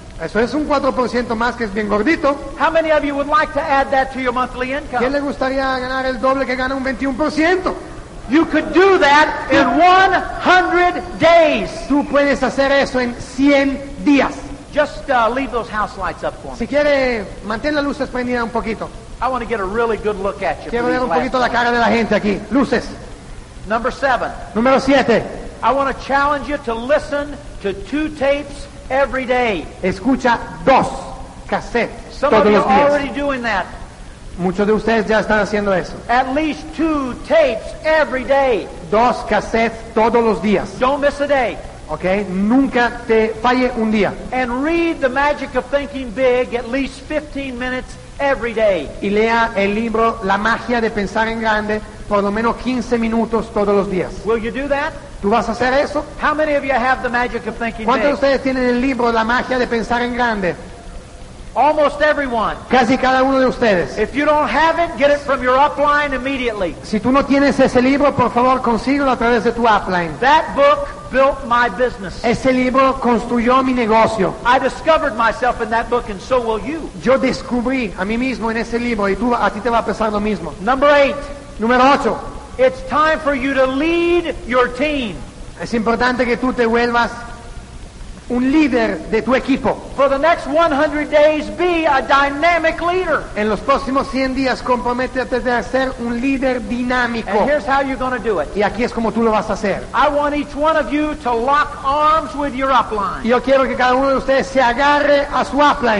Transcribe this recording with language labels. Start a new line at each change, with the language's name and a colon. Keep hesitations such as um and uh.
Spanish: Eso es un 4% más que es bien gordito.
English: How many of you would like to add that to your monthly income?
Spanish: ¿Quién le gustaría ganar el doble que gana un 21%?
English: You could do that in 100 days.
Spanish: Tú puedes hacer eso en 100 días.
English: Just uh, leave those house lights up for me.
Spanish: Si quiere, mantén las luces prendidas un poquito.
English: I want to get a really good look at you.
Spanish: Quiero ver un poquito la cara time. de la gente aquí. Luces.
English: Number 7.
Spanish: Número 7.
English: I want to challenge you to listen to two tapes every day.
Spanish: Escucha dos cassettes Some todos los already días.
English: Already doing that.
Spanish: Muchos de ustedes ya están haciendo eso.
English: At least two tapes every day.
Spanish: Dos cassettes todos los días.
English: Don't miss a day.
Spanish: Okay, nunca te falle un día.
English: And read the magic of thinking big at least 15 minutes Every day.
Spanish: y lea el libro La magia de pensar en grande por lo menos 15 minutos todos los días.
English: Will you do that?
Spanish: ¿Tú vas a hacer eso? ¿Cuántos de ustedes tienen el libro La magia de pensar en grande?
English: Almost everyone.
Spanish: Casi cada uno de ustedes.
English: If you don't have it, get it from your upline immediately.
Spanish: Si tú no tienes ese libro, por favor, consíguelo a través de tu upline.
English: That book built my business.
Spanish: Ese libro construyó mi negocio.
English: I discovered myself in that book and so will you.
Spanish: Yo descubrí a mí mismo en ese libro y tú a ti te va a pasar lo mismo.
English: Number 8.
Spanish: Número 8.
English: It's time for you to lead your team.
Spanish: Es importante que tú te vuelvas un líder de tu equipo.
English: For the next 100 days, be a
Spanish: En los próximos 100 días, comprométete a ser un líder dinámico.
English: And here's how you're do it.
Spanish: Y aquí es como tú lo vas a hacer.
English: I want each one of you to lock arms with your upline.
Spanish: Yo quiero que cada uno de ustedes se agarre a su upline.